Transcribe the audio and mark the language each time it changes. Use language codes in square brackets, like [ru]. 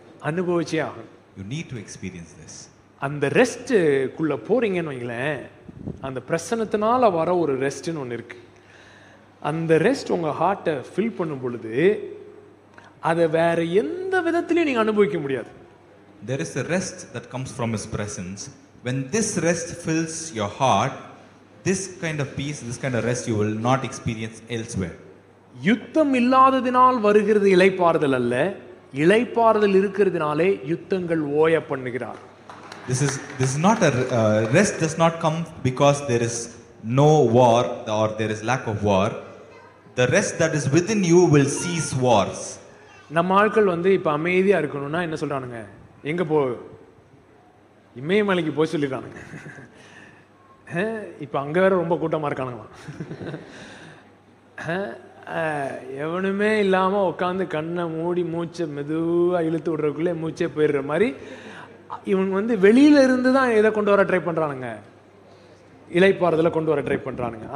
[ta] அனுபவிச்சே ஆகணும். [en] You need to experience this. [ta] அந்த ரெஸ்ட்டுக்குள்ளே போகிறீங்கன்னு வைங்களேன், அந்த பிரசன்னத்தினால் வர ஒரு ரெஸ்ட்னு ஒன்று இருக்குது. அந்த ரெஸ்ட் உங்கள் ஹார்ட்டை ஃபில் பண்ணும் பொழுது அதை வேறு எந்த விதத்துலையும் நீங்கள் அனுபவிக்க முடியாது. [en] There is a rest that comes from his presence. When this rest fills your heart, this kind of peace, this kind of rest you will not experience elsewhere. [ta] யுத்தம் இல்லாததினால் வருகிறது இளைப்பாறுதல் அல்ல, இளைப்பாறுதல் இருக்கிறதுனாலே யுத்தங்கள் ஓய பண்ணுகிறார். [en] This rest does not come because there is no war or there is lack of war. The rest that is within you will cease wars. [ta] நம்ம ஆட்கள் வந்து இப்ப அமைதியா இருக்கணும்னா என்ன சொல்றானுங்க, எங்க போ, இமயமலைக்கு போய் சொல்லிருக்கானுங்க. இப்போ அங்கே வேற ரொம்ப கூட்டமாக இருக்கானுங்களாம். எவனுமே இல்லாமல் உட்காந்து கண்ணை மூடி மூச்சை மெதுவாக இழுத்து விடுறதுக்குள்ளே மூச்சே போயிடுற மாதிரி இவங்க வந்து வெளியில இருந்து தான் இதை கொண்டு வர ட்ரை பண்ணுறானுங்க, இளைப்பாறுதலை கொண்டு வர ட்ரை பண்ணுறானுங்க.